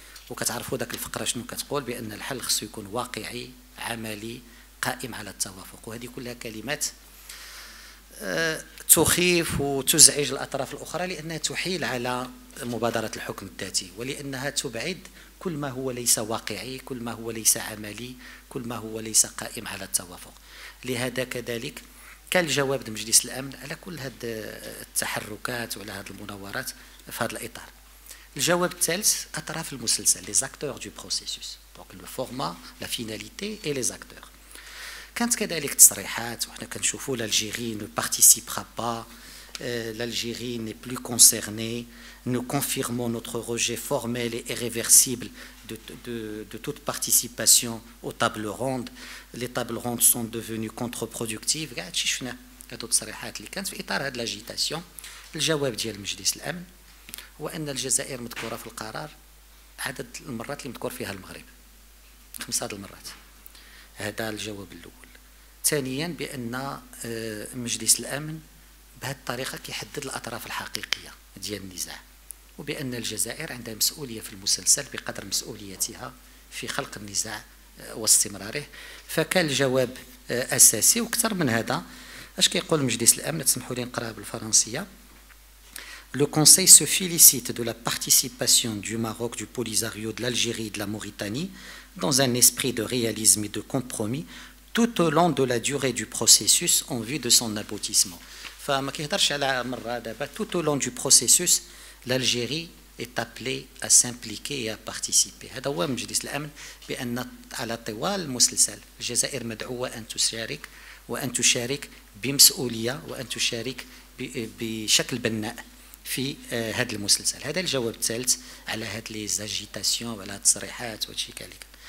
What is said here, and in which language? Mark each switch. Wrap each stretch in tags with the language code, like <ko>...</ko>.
<ar>وكتعرفوا ذاك الفقرة شنو كتقول، بأن الحل خصو يكون واقعي عملي قائم على التوافق، وهذه كلها كلمات تخيف وتزعج الأطراف الأخرى لأنها تحيل على مبادرة الحكم الذاتي، ولأنها تبعد كل ما هو ليس واقعي، كل ما هو ليس عملي، كل ما هو ليس قائم على التوافق. لهذا كذلك كان الجواب من مجلس الأمن على كل هذه التحركات وعلى هذه المناورات في هذا الإطار. الجواب الثالث أطراف المسلسل،</ar> <fr>les acteurs du processus،</fr> <ar>دونك لو فورما، لا فيناليتي اي les acteurs. كانت كذلك تصريحات وحنا كنشوفوا</ar> <fr>الجيري نو بارتيسيبرا با، الجيري ني بلو كونسيرني، nous confirmons notre rejet formel et irréversible de toute participation aux tables rondes. Les tables rondes sont devenues contre-productives.</fr> <ar>هذو التصريحات اللي كانت في إطار هذه لاجيتاسيون. الجواب ديال مجلس الأمن هو أن الجزائر مذكورة في القرار عدد المرات اللي مذكور فيها المغرب، 5 المرات. هذا الجواب الأول. ثانيا بأن مجلس الأمن بهذه الطريقة كيحدد الأطراف الحقيقية ديال النزاع، وبأن الجزائر عندها مسؤولية في المسلسل بقدر مسؤوليتها في خلق النزاع واستمراره. فكان الجواب أساسي. وكثر من هذا اش كيقول مجلس الأمن، تسمحوا لي نقرأ بالفرنسية.</ar> <fr>Le Conseil se félicite de la participation du Maroc, du Polisario, de l'Algérie, de la Mauritanie dans un esprit de réalisme et de compromis tout au long de la durée du processus en vue de son aboutissement.</fr> <ar>فما كيهضرش على مرة، دابا</ar> <fr>tout au long du processus l'Algérie est appelée à s'impliquer et à participer.</fr> <ar>هذا هو مجلس الأمن، بأن على طوال المسلسل الجزائر مدعوة أن تشارك وأن تشارك بمسؤولية وأن تشارك بشكل بناء في هذا المسلسل. هذا الجواب الثالث على هذه الزاجيتاسيون وعلى التصريحات وشي كذلك.</ar>